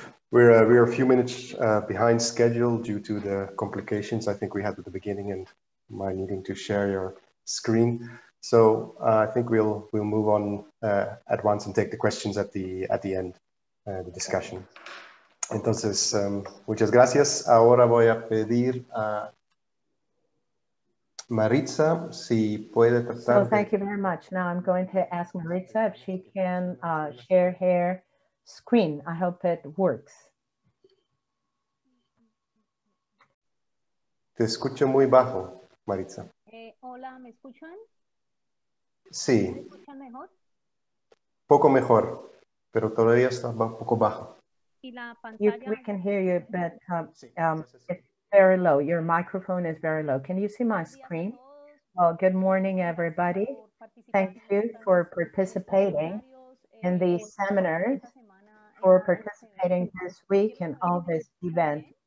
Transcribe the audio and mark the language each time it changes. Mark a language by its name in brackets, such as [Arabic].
[English] We're a few minutes behind schedule due to the complications I think we had at the beginning and my needing to share your screen. So I think we'll move on at once and take the questions at the end, the discussion. [Spanish] Entonces, muchas gracias. Ahora voy a pedir a Maritza, si puede tratar. [English] So thank you very much. Now I'm going to ask Maritza if she can share her screen. I hope it works. [Spanish] Te escucho muy bajo, Maritza. Hola, ¿me escuchan? Sí. ¿Me escuchan mejor? Poco mejor, pero todavía está un poco bajo. [English] We can hear you, but it's very low. Your microphone is very low. Can you see my screen? Well, good morning, everybody. Thank you for participating in these seminars, for participating this week in all this event.